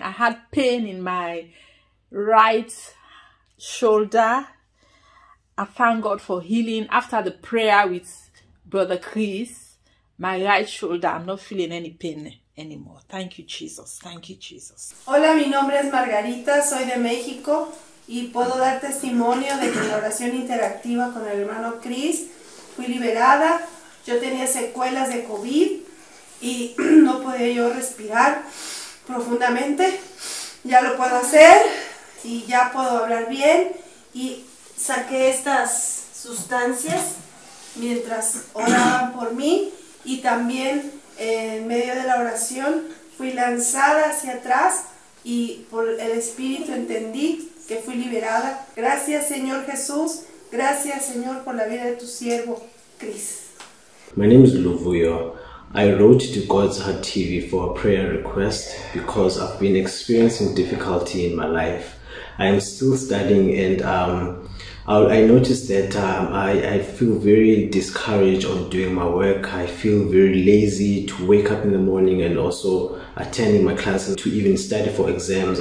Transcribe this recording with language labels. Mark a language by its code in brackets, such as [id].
[en] I had pain in my right shoulder. I thank God for healing. After the prayer with Brother Chris, my right shoulder, I'm not feeling any pain anymore. Thank you, Jesus. Thank you, Jesus. [es] Hola, mi nombre es Margarita. Soy de México. Y puedo dar testimonio de que en la oración interactiva con el hermano Chris fui liberada. Yo tenía secuelas de COVID y no podía yo respirar profundamente. Ya lo puedo hacer y ya puedo hablar bien. Y saqué estas sustancias mientras oraban por mí. Y también en medio de la oración fui lanzada hacia atrás y por el Espíritu entendí que fui liberada. Gracias, Señor Jesús. Gracias, Señor, por la vida de tu siervo, Chris. [en] My name is Luvuyo. I wrote to God's Heart TV for a prayer request because I've been experiencing difficulty in my life. I am still studying, and I noticed that I feel very discouraged on doing my work. I feel very lazy to wake up in the morning and also attending my classes to even study for exams.